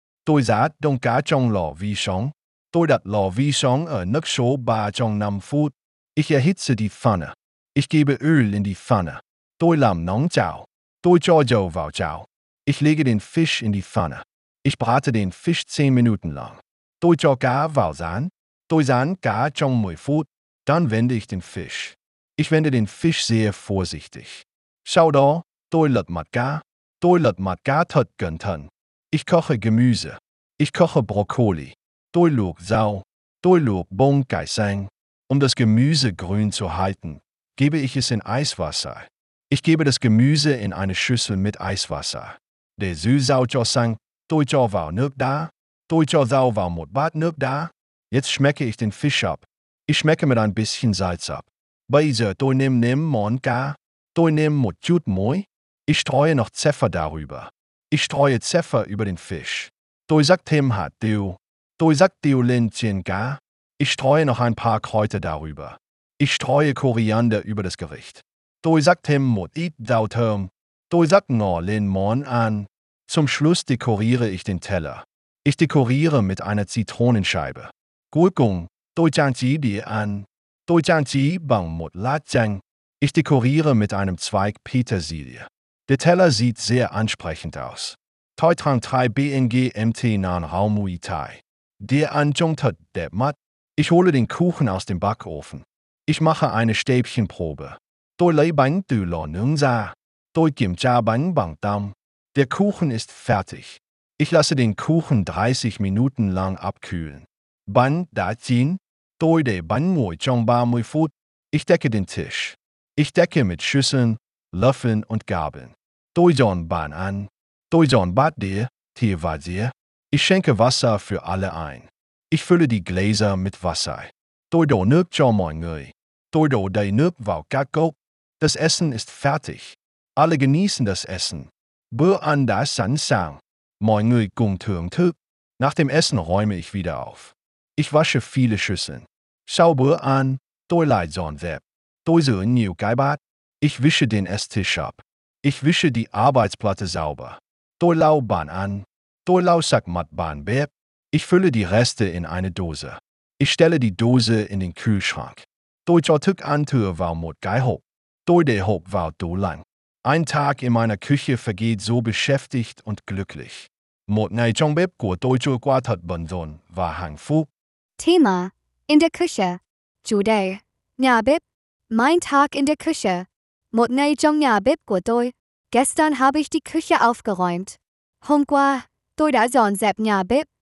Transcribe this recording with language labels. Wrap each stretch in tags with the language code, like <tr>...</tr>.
<vi>Tôi sát đông cá trong lò vi sóng. Tôi đặt lò vi sóng ở nước số 3 trong 5 phút.</vi> <de>Ich erhitze die Pfanne. Ich gebe Öl in die Pfanne.</de> <vi>Tôi làm nóng chảo. Tôi cho dầu vào chảo.</vi> <de>Ich lege den Fisch in die Pfanne. Ich brate den Fisch 10 Minuten lang.</de> <vi>Tôi cho cá vào rán. Tôi rán cá trong 10 phút.</vi> <de>Dann wende ich den Fisch. Ich wende den Fisch sehr vorsichtig.</de> <vi>Sau đó, tôi lật mặt cá. Tôi lật mặt cá thật cẩn thận.</vi> <de>Ich koche Gemüse. Ich koche Brokkoli.</de> <vi>Tôi luộc rau. Tôi luộc bông cải xanh.</vi> <de>Um das Gemüse grün zu halten, gebe ich es in Eiswasser. Ich gebe das Gemüse in eine Schüssel mit Eiswasser.</de> <vi>Để giữ rau cho xanh, tôi cho vào nước đá. Tôi cho rau vào một bát nước đá.</vi> <de>Jetzt schmecke ich den Fisch ab. Ich schmecke mit ein bisschen Salz ab.</de> <vi>Bây giờ tôi nêm nếm món cá. Tôi nêm một chút muối.</vi> <de>Ich streue noch Pfeffer darüber. Ich streue Pfeffer über den Fisch.</de> <vi>Tôi rắc thêm hạt tiêu. Tôi rắc tiêu lên trên cá.</vi> <de>Ich streue noch ein paar Kräuter darüber. Ich streue Koriander über das Gericht.</de> <vi>Tôi rắc thêm một ít rau thơm. Tôi rắc ngò lên món ăn.</vi> <de>Zum Schluss dekoriere ich den Teller. Ich dekoriere mit einer Zitronenscheibe.</de> <vi>Cuối cùng, tôi trang trí đĩa ăn. Tôi trang trí bằng một lát chanh.</vi> <de>Ich dekoriere mit einem Zweig Petersilie. Der Teller sieht sehr ansprechend aus. Toi Trang 3 BNG MT Nan Rau Muay Thai. Der Anjung tut depp mat. Ich hole den Kuchen aus dem Backofen. Ich mache eine Stäbchenprobe.</de> <vi>Tôi lấy bánh từ lò nướng ra. Tôi kiểm tra bánh bằng tăm.</vi> <de>Der Kuchen ist fertig. Ich lasse den Kuchen 30 Minuten lang abkühlen.</de> <vi>Bánh đã chín. Tôi để bánh nguội trong 30 phút.</vi> <de>Ich decke den Tisch. Ich decke mit Schüsseln, Löffeln und Gabeln.</de> <vi>Tôi dọn bàn ăn. Tôi dọn bát đĩa, thìa và dĩa.</vi> <de>Ich schenke Wasser für alle ein. Ich fülle die Gläser mit Wasser.</de> <vi>Tôi đổ nước cho mọi người. Tôi đổ đầy nước vào các cốc.</vi> <de>Das Essen ist fertig. Alle genießen das Essen.</de> <vi>Bữa ăn đã sẵn sàng. Mọi người cùng thưởng thức.</vi> <de>Nach dem Essen räume ich wieder auf. Ich wasche viele Schüsseln.</de> <vi>Sau bữa ăn, tôi lại dọn dẹp. Tôi rửa nhiều cái bát.</vi> <de>Ich wische den Esstisch ab. Ich wische die Arbeitsplatte sauber.</de> <vi>Tôi lau bàn ăn. Tôi lau sạch mặt bàn bếp.</vi> <de>Ich fülle die Reste in eine Dose. Ich stelle die Dose in den Kühlschrank.</de> <vi>Tôi cho thức ăn thừa vào một cái hộp. Tôi để hộp vào tủ lạnh.</vi> <de>Ein Tag in meiner Küche vergeht so beschäftigt und glücklich.</de> <vi>Một ngày trong bếp của tôi trôi qua thật bận rộn và hạnh phúc.</vi> <de>Thema: In der Küche.</de> <vi>Chủ đề: Nhà bếp.</vi> <de>Mein Tag in der Küche.</de> <vi>Một ngày trong nhà bếp của tôi.</vi> <de>Gestern habe ich die Küche aufgeräumt.</de> <vi>Hôm qua, tôi đã dọn dẹp nhà bếp.</vi>